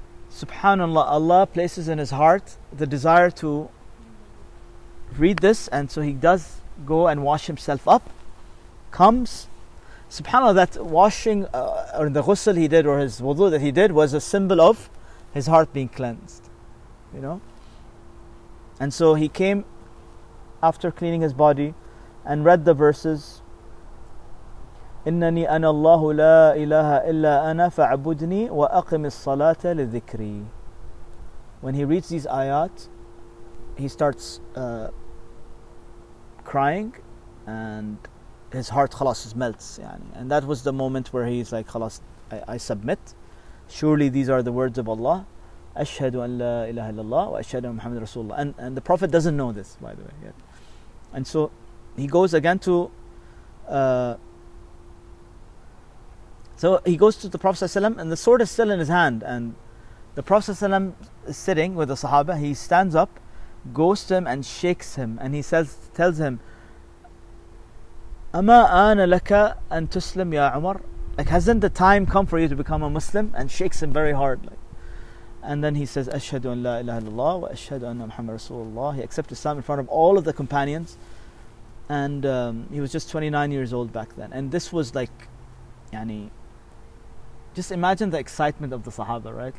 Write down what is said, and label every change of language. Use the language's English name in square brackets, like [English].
[English] SubhanAllah, Allah places in his heart the desire to read this, and so he does go and wash himself up, comes. SubhanAllah, that washing or the ghusl he did, or his wudu that he did, was a symbol of his heart being cleansed, you know. And so he came after cleaning his body and read the verses. [Arabic] إنني أنا الله لا إله إلا أنا فاعبدني وأقم الصلاة لذكري. [English] When he reads these ayat, he starts crying, and his heart خلاص melts. يعني. And that was the moment where he's like, خلاص, I submit. Surely these are the words of Allah. [Arabic] أشهد أن لا إله إلا الله وأشهد أن محمد رسول الله. [English] And the Prophet doesn't know this, by the way. Yet. And so he goes again to So he goes to the Prophet ﷺ, and the sword is still in his hand. And the Prophet ﷺ is sitting with the Sahaba. He stands up, goes to him and shakes him. And he says, tells him, [Arabic] أَمَا آنَ لَكَ أَن تُسْلِمْ يَا عُمَرْ. [English] Like, hasn't the time come for you to become a Muslim? And shakes him very hard. And then he says, [Arabic] أَشْهَدُ أَن لَا إِلَهَ إِلَّا wa وَأَشْهَدُ أَنَّ مُحَمَّدَ رَسُولُ اللَّهِ. [English] He accepted Islam in front of all of the companions. And he was just 29 years old back then. And this was like, yani, just imagine the excitement of the Sahaba, right?